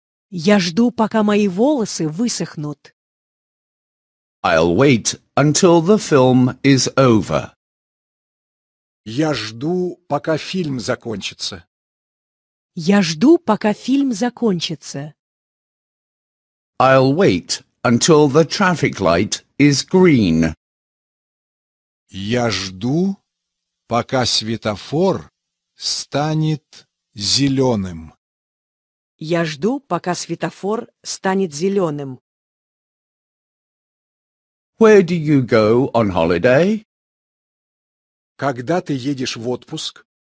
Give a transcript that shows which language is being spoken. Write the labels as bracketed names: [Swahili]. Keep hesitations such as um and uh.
[Russian] Я жду, пока мои волосы высохнут. [English] I'll wait until the film is over. [Russian] Я жду, пока фильм закончится. Я жду, пока фильм закончится. [English] I'll wait until the traffic light is green. [Russian] Я жду, пока светофор станет зеленым. Я жду, пока светофор станет зелёным. [English] Where do you go on holiday? [Russian] Когда ты едешь в отпуск?